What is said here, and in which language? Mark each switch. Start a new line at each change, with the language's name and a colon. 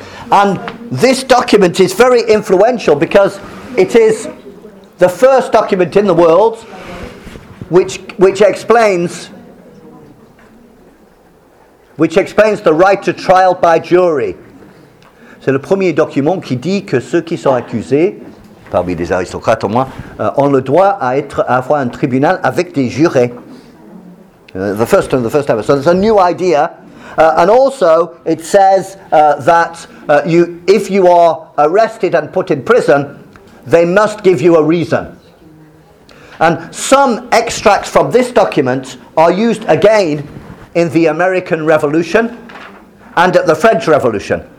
English: And this document is very influential because it is the first document in the world which explains the right to trial by jury.
French: C'est le premier document qui dit que ceux qui sont accusés, parmi les aristocrates au moins, ont le droit à avoir un tribunal avec des jurés.
English: The first time. So it's a new idea. And also, it says that if you are arrested and put in prison, they must give you a reason. And some extracts from this document are used again in the American Revolution and at the French Revolution.